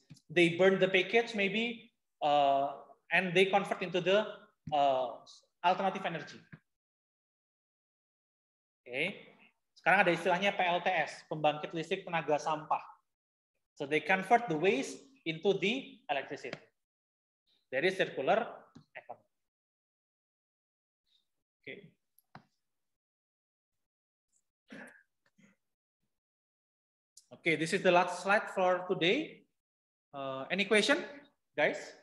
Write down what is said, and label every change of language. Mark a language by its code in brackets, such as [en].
[en] They burn the package maybe, and they convert into the alternative energy. Okay. [id] Sekarang ada istilahnya PLTS, pembangkit listrik tenaga sampah. [en] So they convert the waste into the electricity. There is circular economy. Okay. Okay, this is the last slide for today. Any question, guys?